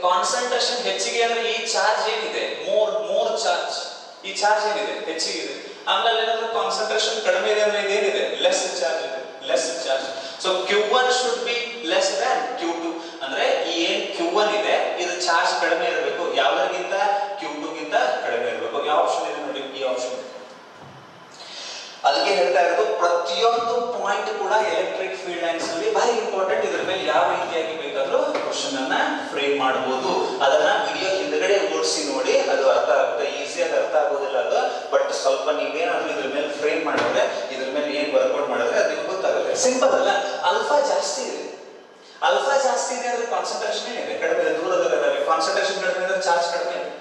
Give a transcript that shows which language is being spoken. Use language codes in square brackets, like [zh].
[kn] Concentration ಹೆಚ್ಚಿಗೆ ಅಂದ್ರೆ ಈ ಚಾರ್ಜ್ ಏನಿದೆ? More charge. ಈ ಚಾರ್ಜ್ ಏನಿದೆ? ಹೆಚ್ಚಿಗಿದೆ. ಆಮೇಲೆ ಏನಾದ್ರೂ ಕಾನ್ಸಂಟ್ರೇಷನ್ ಕಡಿಮೆ ಇದೆ ಅಂದ್ರೆ ಇದೇನಿದೆ? ಲೆಸ್ ಚಾರ್ಜ್ ಇದೆ. [en] less charge. So Q1 should be less than Q2. [kn] Andre ee Q1 ide idu charge kadame irbeku yavaraginta Q2 ginta kadame irbeku ya option ide nodi ee option ಅದಕ್ಕೆ ಹೇಳ್ತಾ ಇರೋದು ಪ್ರತಿಯೊಂದು point ಕೂಡ electric field lines ಅಲ್ಲಿ ಬಹಳ important. ಇದ್ರ ಮೇಲೆ ಯಾವ ರೀತಿಯಾಗಿ ಬೇಕಾದ್ರೂ ಕ್ವಶನ್ ಅನ್ನ ಫ್ರೇಮ್ ಮಾಡಬಹುದು. ಅದನ್ನ ವಿಡಿಯೋ ಹಿಂದ್ಗಡೆ ಓಡಿಸಿ ನೋಡಿ, ಅದು ಅರ್ಥ ಆಗುತ್ತೆ. ಈಸಿಯಾಗಿ ಅರ್ಥ ಆಗೋದಿಲ್ಲ ಅದು, ಬಟ್ ಸ್ವಲ್ಪ ನೀವೇನಾದ್ರೂ ಇದ್ರ ಮೇಲೆ ಫ್ರೇಮ್ ಮಾಡಿದ್ರೆ, ಇದ್ರ ಮೇಲೆ ಏನ್ ವರ್ಕ್ಔಟ್ ಮಾಡಿದ್ರೆ ಅದು ನಿಮ್ಗೆ ಗೊತ್ತಾಗುತ್ತೆ. ಸಿಂಪಲ್ ಅಲ್ಲ, ಆಲ್ಫಾ ಜಾಸ್ತಿ ಇದೆ, ಆಲ್ಫಾ ಜಾಸ್ತಿ ಇದೆ ಅಂದ್ರೆ ಕಾನ್ಸಂಟ್ರೇಷನ್ ಇದೆ, ಕಡಿಮೆ ದೂರದಲ್ಲಿ ಕಾನ್ಸಂಟ್ರೇಷನ್ ಕಡಿಮೆ ಅಂದ್ರೆ ಚಾರ್ಜ್ ಕಡಿಮೆ.